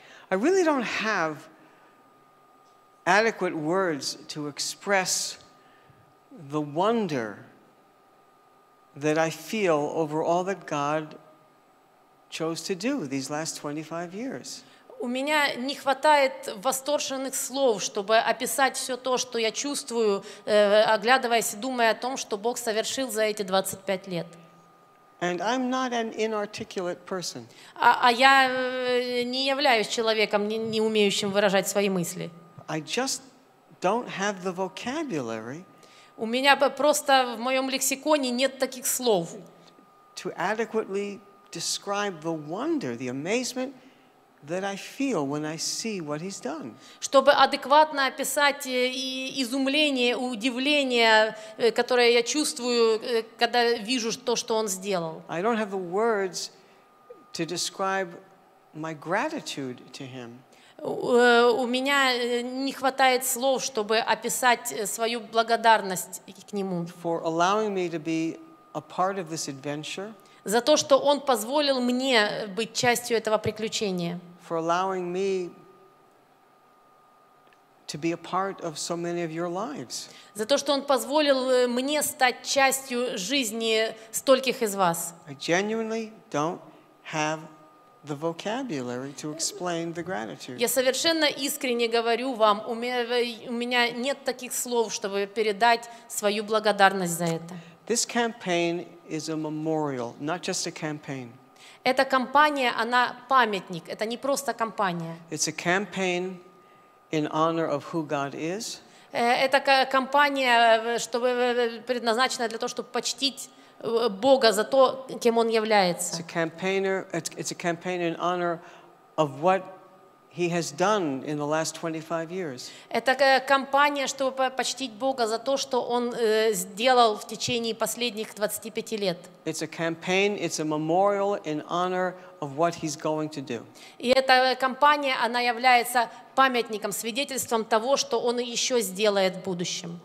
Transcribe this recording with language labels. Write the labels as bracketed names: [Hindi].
[English] I really don't have adequate words to express the wonder that I feel over all that God chose to do these last 25 years. [Russian] У меня не хватает восторженных слов, чтобы описать все то, что я чувствую, оглядываясь и думая о том, что Бог совершил за эти 25 лет. [English] And I'm not an inarticulate person. [Russian] А я не являюсь человеком, не умеющим выражать свои мысли. [English] I just don't have the vocabulary. [Russian] У меня просто в моем лексиконе нет таких слов. [English] To adequately describe the wonder, the amazement, that I feel when I see what he's done. [Russian] Чтобы адекватно описать изумление, удивление, которое я чувствую, когда вижу то, что он сделал. [English] I don't have the words to describe my gratitude to him. [Russian] У меня не хватает слов, чтобы описать свою благодарность к нему. [English] For allowing me to be a part of this adventure. [Russian] За то, что он позволил мне быть частью этого приключения. [English] For allowing me to be a part of so many of your lives. [Russian] За то, что он позволил мне стать частью жизни стольких из вас. [English] I genuinely don't have the vocabulary to explain the gratitude. [Russian] Я совершенно искренне говорю вам, у меня нет таких слов, чтобы передать свою благодарность за это. [English] This campaign is a memorial, not just a campaign. [Russian] Эта кампания, она памятник, это не просто кампания. [English] It's a campaign in honor of who God is. [Russian] Это кампания, чтобы предназначена для того, чтобы почтить Бога за то, кем он является. [English] It's a campaign in honor of what he has done in the last 25 years. [Russian] Это кампания, чтобы почтить Бога за то, что он сделал в течение последних 25 лет. [English] It's a campaign, it's a memorial in honor of what he's going to do. [Russian] И эта кампания, она является памятником, свидетельством того, что он еще сделает в будущем.